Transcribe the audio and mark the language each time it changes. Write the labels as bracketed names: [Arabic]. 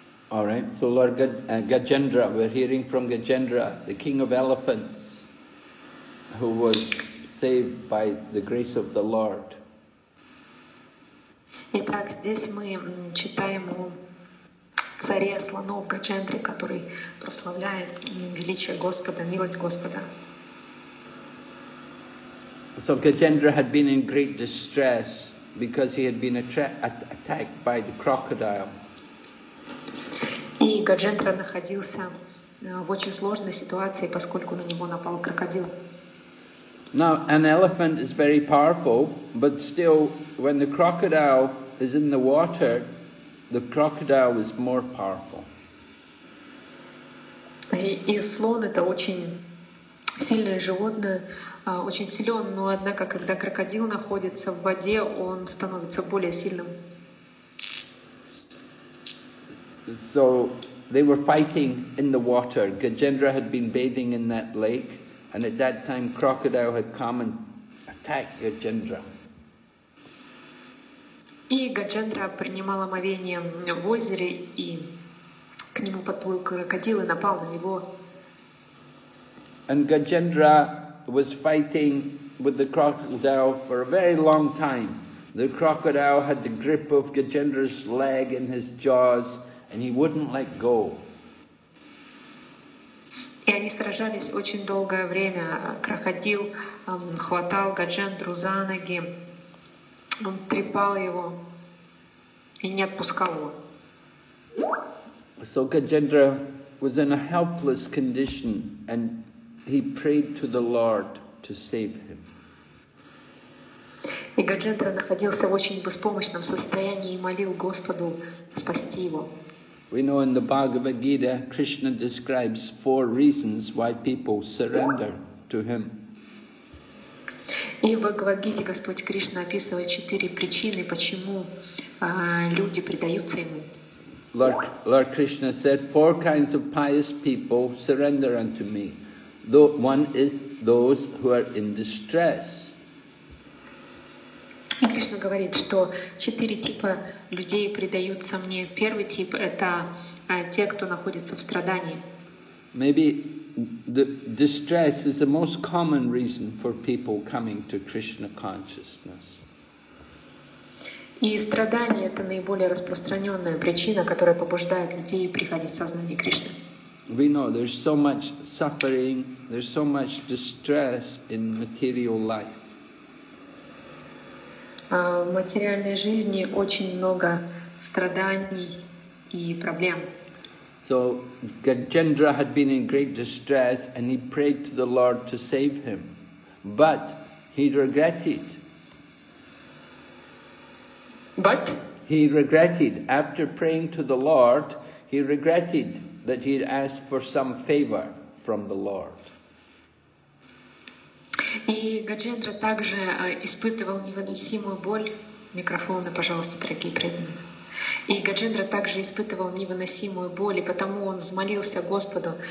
[English] All right, so Lord Gajendra, we're hearing from Gajendra, the king of elephants, who was saved by the grace of the Lord. [Russian] Итак, здесь мы читаем о царе слонов Гаджендре, который прославляет величие Господа, милость Господа. [English] So Gajendra had been in great distress because he had been attacked by the crocodile. [Russian] И Гаджендра находился в очень сложной ситуации, поскольку на него напал крокодил. [English] Now, an elephant is very powerful, but still, when the crocodile is in the water, the crocodile is more powerful. [Russian] И слон — это очень сильное животное, очень силен, но однако, когда крокодил находится в воде, он становится более сильным. [English] So they were fighting in the water. Gajendra had been bathing in that lake, and at that time crocodile had come and attacked Gajendra. [Russian] И Гаджендра принимал омовение в озере, и к нему подплыл крокодил и напал на него. [English] And Gajendra was fighting with the crocodile for a very long time. The crocodile had the grip of Gajendra's leg in his jaws, and he wouldn't let go. [Russian] И они сражались очень долгое время. Крокодил хватал Гаджендру за ноги, он трепал его и не отпускал его. [English] So Gajendra was in a helpless condition, and he prayed to the Lord to save him. [Russian] И Гаджендра находился в очень беспомощном состоянии и молил Господу спасти его. [English] We know in the Bhagavad Gita, Krishna describes four reasons why people surrender to Him. [Russian] И в Бхагавадгите Господь Кришна описывает четыре причины, почему люди предаются ему. [English] Lord Krishna said, four kinds of pious people surrender unto me. Though one is those who are in distress. [Russian] И Кришна говорит, что четыре типа людей предаются мне. Первый тип – это те, кто находится в страдании. [English] Maybe the distress is the most common reason for people coming to Krishna consciousness. [Russian] И страдание – это наиболее распространенная причина, которая побуждает людей приходить в сознание Кришны. [English] We know there's so much suffering, there's so much distress in material life. [Russian] В материальной жизни очень много страданий и проблем. [English] So Gajendra had been in great distress and he prayed to the Lord to save him, but he regretted. But? He regretted. After praying to the Lord, he regretted that he had asked for some favor from the Lord. [Russian] И Гаджендра также испытывал невыносимую боль. Микрофоны, пожалуйста, дорогие преданные. И Гаджендра также испытывал невыносимую боль, и потому он взмолился Господу.